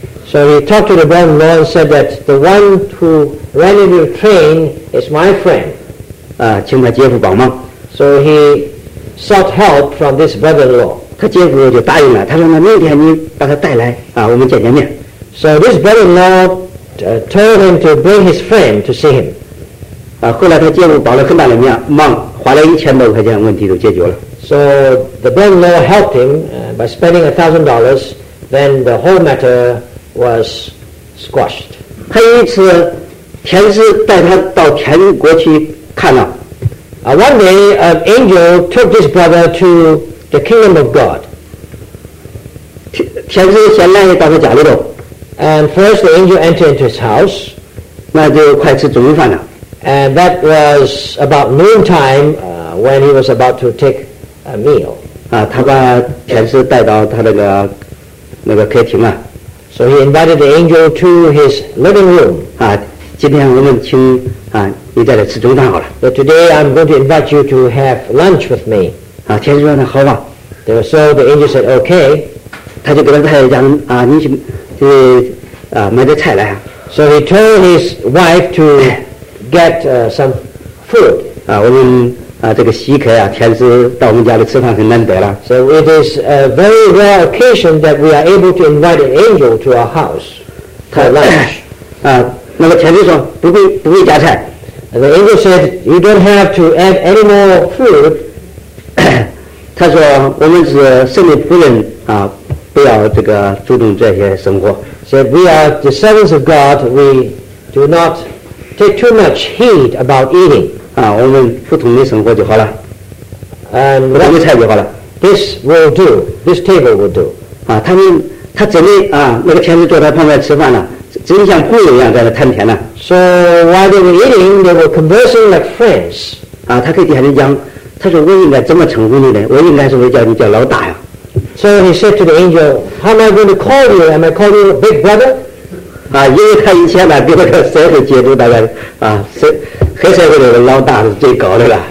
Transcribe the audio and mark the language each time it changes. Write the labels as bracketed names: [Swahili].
[English] So he talked to the brother-in-law and said that the one who ran into the train is my friend. [Chinese] 请他姐夫帮忙。 [English] So he sought help from this brother-in-law. [Chinese] 他姐夫就答应了，他说那明天你把他带来我们见见面。 [English] So this brother-in-law told him to bring his friend to see him. [Chinese] 后来他姐夫帮了很大的忙，花了1000多块钱，问题都解决了。 [English] So the brother-in-law helped him by spending $1,000, then the whole matter was squashed. [Chinese] 还有一次，天使带他到天国去看了。 [English] One day, an angel took this brother to the kingdom of God. [Chinese] 天使先来到他家里头。 [English] And first, the angel entered into his house. [Chinese] 那就快吃中午饭了。 [English] And that was about noontime, when he was about to take a meal. [Chinese] 他把天使带到他那个客厅啊。 [English] So he invited the angel to his living room. [Chinese] 今天我们请你再来吃中餐好了。 [English] So today I'm going to invite you to have lunch with me. [Chinese] 天使说那好吧。 [English] So the angel said okay. [Chinese] 他就跟他太太讲你去就是买点菜来。 [English] So he told his wife to get some food. [Chinese] 我们这个稀客天使到我们家里吃饭很难得了。 [English] So it is a very rare occasion that we are able to invite an angel to our house for lunch. [Chinese] 那个天使说不会加菜。 [English] And the angel said, "You don't have to add any more food." [Chinese] 他说我们是圣的仆人不要这个注重这些生活。 [English] Said we are the servants of God. We do not take too much heed about eating. [Chinese] 我们普通的生活就好了，普通的菜就好了。 [English] This will do. This table will do. [Chinese] 他真的那个天使坐在旁边吃饭呢，真像朋友一样在那谈天呢。 [English] So while they were eating, they were conversing like friends. [Chinese] 他跟底下人讲，他说我应该怎么称呼你呢？我应该是不是叫你叫老大呀 [English] ？So he said to the angel, "How am I going to call you? Am I calling you big brother?" [Chinese] 因为他以前呢，跟那个社会接触大概黑社会里的老大是最高的了。